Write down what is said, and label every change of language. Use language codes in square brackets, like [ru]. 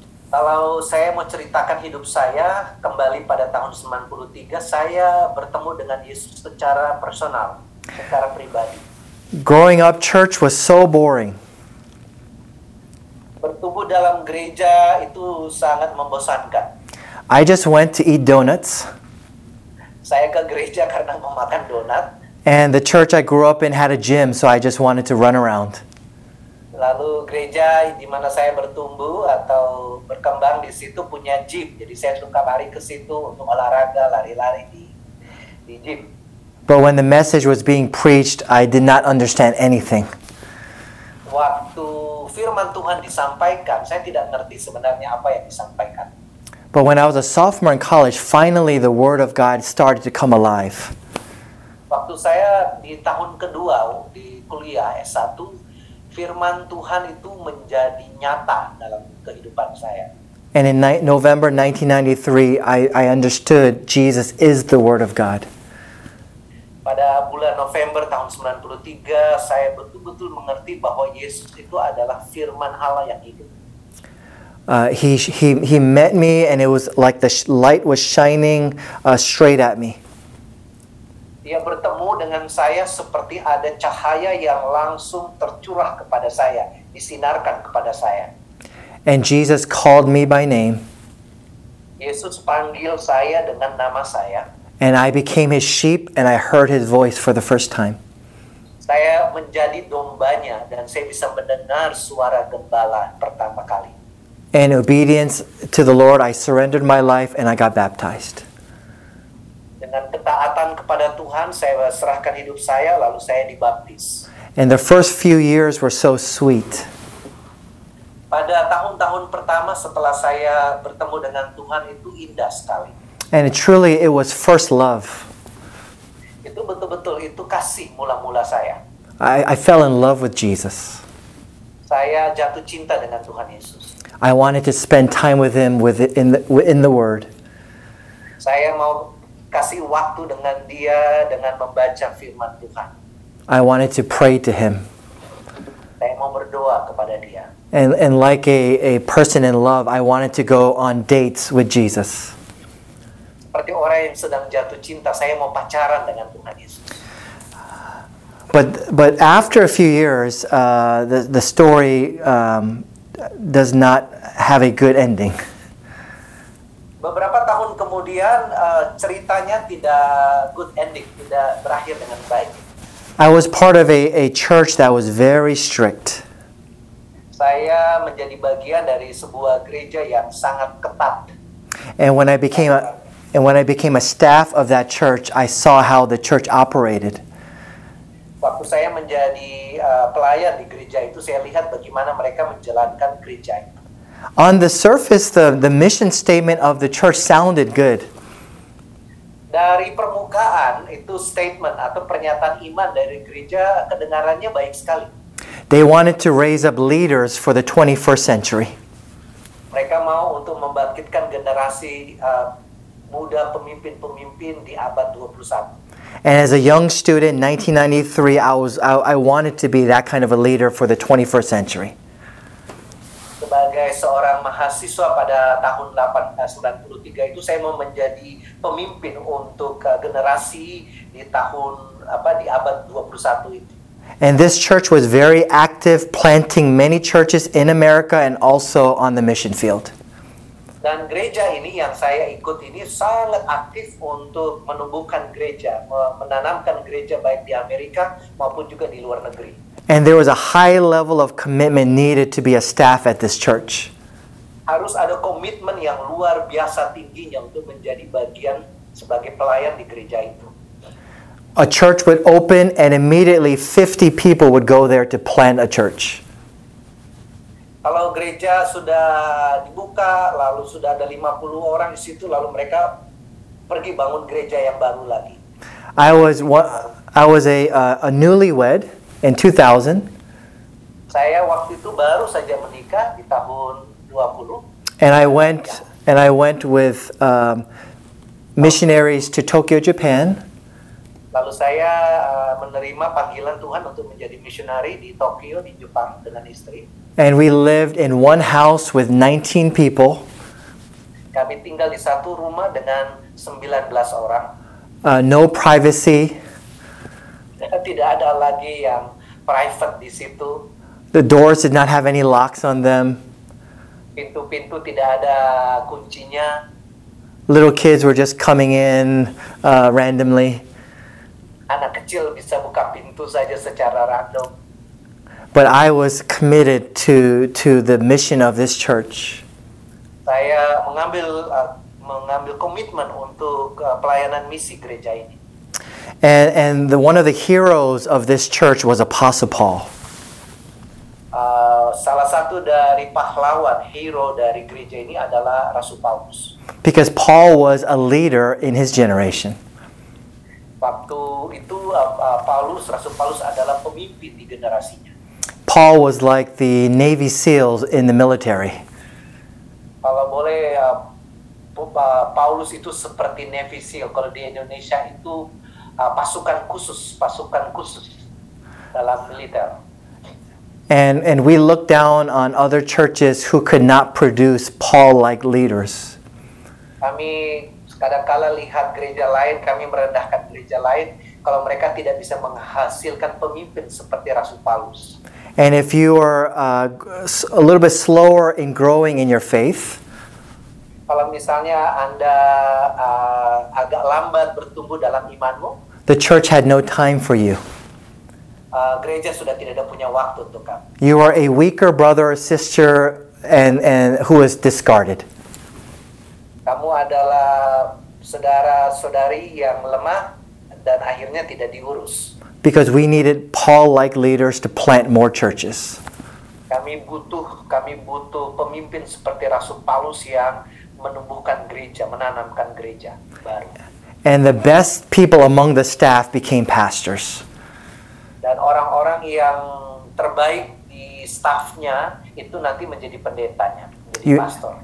[id] Kalau saya mau ceritakan hidup saya kembali pada tahun 93, saya bertemu dengan Yesus secara personal, secara pribadi. [en] Growing up, church was so boring. [id] Bertumbuh dalam gereja itu sangat membosankan. [en] I just went to eat donuts. [id] Saya ke gereja karena mau makan donat. [en] And the church I grew up in had a gym, so I just wanted to run around. [id] Lalu gereja di mana saya bertumbuh atau berkembang di situ punya gym, jadi saya suka lari ke situ untuk olahraga, lari-lari di gym. [en] But when the message was being preached, I did not understand anything. [id] Waktu firman Tuhan disampaikan, saya tidak ngerti sebenarnya apa yang disampaikan. [en] But when I was a sophomore in college, finally the Word of God started to come alive. [id] Waktu saya di tahun kedua di kuliah S1, Firman Tuhan itu menjadi nyata dalam kehidupan saya. [en] And in November 1993, I understood Jesus is the Word of God. [id] Pada bulan November tahun 93, saya betul-betul mengerti bahwa Yesus itu adalah Firman Allah yang hidup. [en] He met me and it was like the light was shining straight at me. [id] Dia bertemu dengan saya seperti ada cahaya yang langsung tercurah kepada saya, disinarkan kepada saya. [en] And Jesus called me by name. [id] Yesus panggil saya dengan nama saya. [en] And I became his sheep and I heard his voice for the first time. [id] Saya menjadi dombanya dan saya bisa mendengar suara gembala pertama kali. [en] In obedience to the Lord, I surrendered my life and I got baptized. [id] Dengan ketaatan kepada Tuhan, saya serahkan hidup saya, lalu saya dibaptis. [en] And the first few years were so sweet. [id] Pada tahun-tahun pertama setelah saya bertemu dengan Tuhan itu indah sekali. [en] And truly, it was first love. [id] Itu betul-betul itu kasih mula-mula saya. [en] I fell in love with Jesus. [id] Saya jatuh cinta dengan Tuhan Yesus. [en] I wanted to spend time with Him in the Word. [id] Saya mau kasih waktu dengan dia dengan membaca firman Tuhan. [en] I wanted to pray to him. [id] Saya mau berdoa kepada dia. [en] And like a person in love, I wanted to go on dates with Jesus. [id] Seperti orang yang sedang jatuh cinta, saya mau pacaran dengan Tuhan Yesus. [en] But after a few years, the story does not have a good ending. [id] Beberapa tahun kemudian ceritanya tidak [en] good ending, [id] tidak berakhir dengan baik. [en] I was part of a church that was very strict. [id] saya menjadi bagian dari sebuah gereja yang sangat ketat. [en] And when I became a staff of that church, I saw how the church operated. [id] Waktu saya menjadi pelayan di gereja itu, saya lihat bagaimana mereka menjalankan gereja itu. [en] On the surface, the mission statement of the church sounded good. [id] Dari permukaan, itu statement atau pernyataan iman dari gereja kedengarannya baik sekali. [en] They wanted to raise up leaders for the 21st century. [id] Mereka mau untuk membangkitkan generasi muda pemimpin-pemimpin di abad 21. [en] And as a young student in 1993, I wanted to be that kind of a leader for the 21st century. [id] Sebagai seorang mahasiswa pada tahun 1993 itu, saya mau menjadi pemimpin untuk generasi di tahun di abad 21 itu. [en] And this church was very active, planting many churches in America and also on the mission field. [id] Dan gereja ini yang saya ikut ini sangat aktif untuk menumbuhkan gereja, menanamkan gereja baik di Amerika maupun juga di luar negeri. [en] And there was a high level of commitment needed to be a staff at this church. [id] Harus ada komitmen yang luar biasa tingginya untuk menjadi bagian sebagai pelayan di gereja itu. [en] A church would open and immediately 50 people would go there to plant a church. [id] Kalau gereja sudah dibuka, lalu sudah ada 50 orang di situ, lalu mereka pergi bangun gereja yang baru lagi. [en] I was a newlywed in 2000. [id] Saya waktu itu baru saja menikah di tahun 20. [en] And I went with missionaries to Tokyo, Japan. [id] Lalu saya menerima panggilan Tuhan untuk menjadi missionary di Tokyo di Jepang dengan istri. [en] And we lived in one house with 19 people. [id] Kami tinggal di satu rumah dengan 19 orang. [en] No privacy. [id] Tidak ada lagi yang private di situ. [en] The doors did not have any locks on them. [id] Pintu-pintu tidak ada kuncinya. [en] Little kids were just coming in randomly. [id] Anak kecil bisa buka pintu saja secara random. [en] But I was committed to the mission of this church. [id] Saya mengambil komitmen untuk pelayanan misi gereja ini. [en] And the one of the heroes of this church was Apostle Paul. [id] Salah satu dari pahlawan, hero dari gereja ini adalah Rasul Paulus. [en] Because Paul was a leader in his generation. [id] Waktu itu Paulus, Rasul Paulus adalah pemimpin di generasinya. [en] Paul was like the Navy SEALs in the military. [id] Kalau boleh, Paulus itu seperti Navy SEAL. Kalau di Indonesia itu pasukan khusus dalam militer. [en] And we looked down on other churches who could not produce Paul-like leaders. [id] Kami kadangkala lihat gereja lain, kami merendahkan gereja lain kalau mereka tidak bisa menghasilkan pemimpin seperti Rasul Paulus. [en] And if you are a little bit slower in growing in your faith, [id] kalau misalnya Anda agak lambat bertumbuh dalam imanmu, [en] the church had no time for you. [id] Gereja sudah tidak ada punya waktu untuk kamu. [en] You are a weaker brother or sister and who is discarded. [id] Kamu adalah saudara-saudari yang lemah dan akhirnya tidak diurus. [en] Because we needed Paul-like leaders to plant more churches. [id] Kami butuh pemimpin seperti Rasul Paulus yang menumbuhkan gereja, menanamkan gereja baru. [en] And the best people among the staff became pastors. [id] Dan orang-orang yang terbaik di staffnya itu nanti menjadi pendetanya, menjadi pastor.